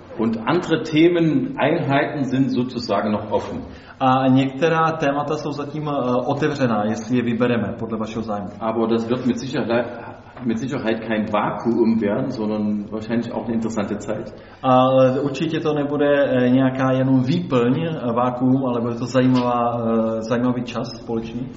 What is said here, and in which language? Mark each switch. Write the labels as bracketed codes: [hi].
[de] Und andere Themen, Einheiten sind sozusagen noch offen. [cs] A některá témata jsou zatím otevřená, jestli je vybereme podle vašeho zájmu. [de] Aber das wird mit Sicherheit kein Vakuum werden, sondern wahrscheinlich auch eine interessante Zeit. [cs] Ale určitě to nebude nějaká jenom výplň, vakuum, ale bude to zajímavý čas společný.